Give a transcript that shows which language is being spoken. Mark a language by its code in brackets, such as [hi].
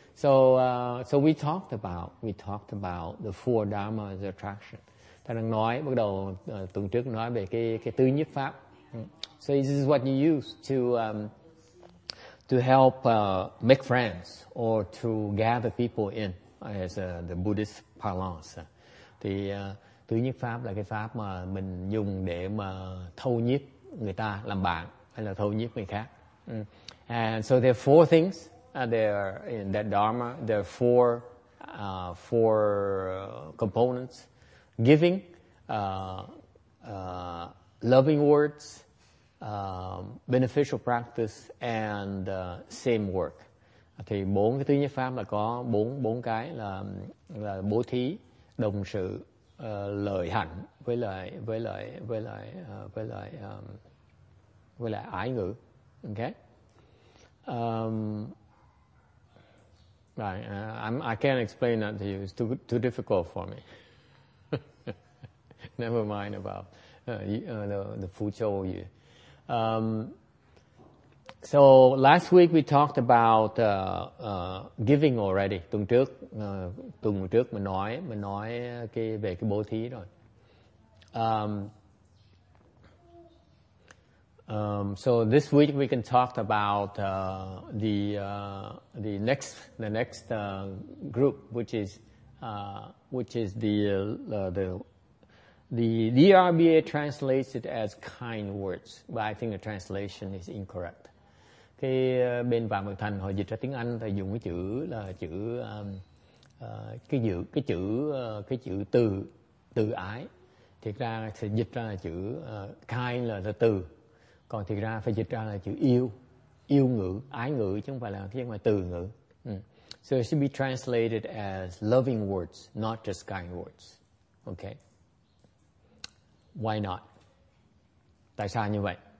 [en] So we talked about the four dharmas of attraction. [vi] Thầy đang nói, bắt đầu tuần trước nói về cái tứ nhiếp pháp. [en] So this is what you use to help make friends or to gather people in, as the Buddhist parlance. [vi] Thì tứ nhiếp pháp là cái pháp mà mình dùng để mà thâu nhiếp người ta làm bạn, hay là thâu nhiếp người khác. [en] And so there are four things there in that dharma. There are four components: giving, loving words, beneficial practice, and same work. [vi] Thì bốn cái tứ nhiếp pháp là có bốn cái là bố thí, đồng sự, lợi hạnh với lại ái ngữ. [en] Okay. I can't explain that to you. It's too difficult for me. Never mind about the fuchou yu. So last week we talked about giving already. [vi] Tuần trước mình nói về cái bố thí rồi. [en] So this week we can talk about the next group, which is the DRBA translates it as kind words, but I think the translation is incorrect. [vi] Cái bên Vạn Mật Thành họ dịch ra tiếng Anh thì dùng cái chữ là chữ từ ái. Thiệt ra thì dịch ra là chữ kind là từ. Còn thiệt ra phải dịch ra là chữ yêu ngữ, ái ngữ, chứ không phải là cái mà từ ngữ. [en] So it should be translated as loving words, not just kind words. Okay. Why not? [vi] Tại sao như vậy?